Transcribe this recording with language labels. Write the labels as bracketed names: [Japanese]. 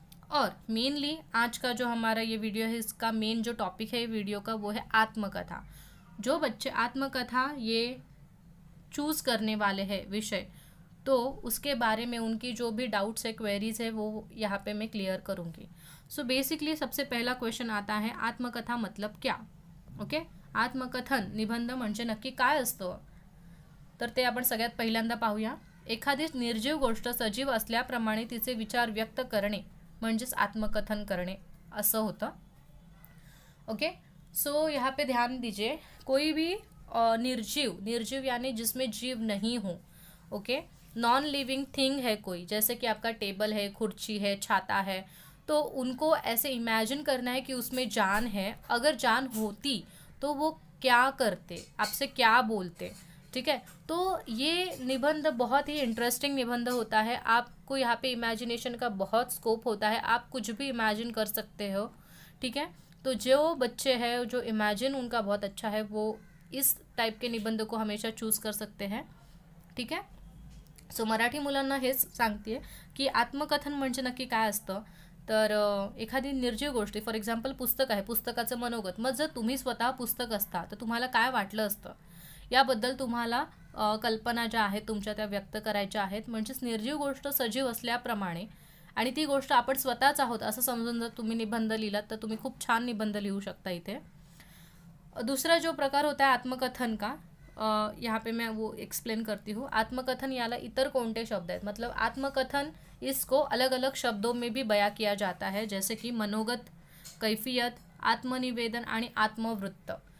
[Hindi] और मेनली आज का जो हमारा ये वीडियो है, इसका मेन जो टॉपिक है ये वीडियो का, वो है आत्मकथा। जो बच्चे आत्मकथा ये चूज करने वाले हैं विषय, तो उसके बारे में उनकी जो भी डाउट्स है क्वेरीज है वो यहाँ पे मैं क्लियर करूँगी। बेसिकली सबसे पहला क्वेश्चन आता है आत्मकथा मतलब क्या, [Marathi] ओके आत्मकथन निबंध म्हणजे नक्की काय असतं, तर ते आपण सगळ्यात पहिल्यांदा पाहूया। एखादी निर्जीव गोष्ट सजीव असल्याप्रमाणे तिचे विचार व्यक्त करणे म्हणजेच आत्मकथन करणे असं होतं, ओके। [Hindi] यहाँ पे ध्यान दीजिए, कोई भी निर्जीव, निर्जीव यानी जिसमें जीव नहीं हो, ओके, नॉन लिविंग थिंग है कोई, जैसे कि आपका टेबल है, कुर्सी है, छाता है, तो उनको ऐसे इमेजिन करना है कि उसमें जान है। अगर जान होती तो वो क्या करते, आपसे क्या बोलते, ठीक है। तो ये निबंध बहुत ही इंटरेस्टिंग निबंध होता है, आपको यहाँ पे इमेजिनेशन का बहुत स्कोप होता है, आप कुछ भी इमेजिन कर सकते हो, ठीक है। तो जो बच्चे हैं जो इमेजिन उनका बहुत अच्छा है, वो इस टाइप के निबंध को हमेशा चूज कर सकते हैं, ठीक है। [Marathi] सो मराठी मुलांना हेच सांगते आहे की आत्मकथन म्हणजे नक्की काय असतं, तर एखादी निर्जीव गोष्ट, फॉर एक्झाम्पल पुस्तक आहे, पुस्तकाचं मनोगत, मग जर तुम्ही स्वतः पुस्तक असता तर तुम्हाला काय वाटलं असतं याबद्दल तुम्हाला कल्पना ज्या आहेत तुमच्या त्या व्यक्त करायच्या आहेत, म्हणजेच निर्जीव गोष्ट सजीव असल्याप्रमाणे आणि ती गोष्ट आपण स्वतःच आहोत असं समजून जर तुम्ही निबंध लिहिला तर तुम्ही खूप छान निबंध लिहू शकता इथे. [Hindi] दुसरा जो प्रकार होता है आत्मकथन का, यहाँ पे मैं वो एक्सप्लेन करती हूँ. [Marathi] आत्मकथन याला इतर कोणते शब्द आहेत, [Hindi] मतलब आत्मकथन इसको अलग अलग शब्दों में भी बयां किया जाता है, जैसे कि मनोगत, कैफियत, आत्मनिवेदन आणि आत्मवृत्त.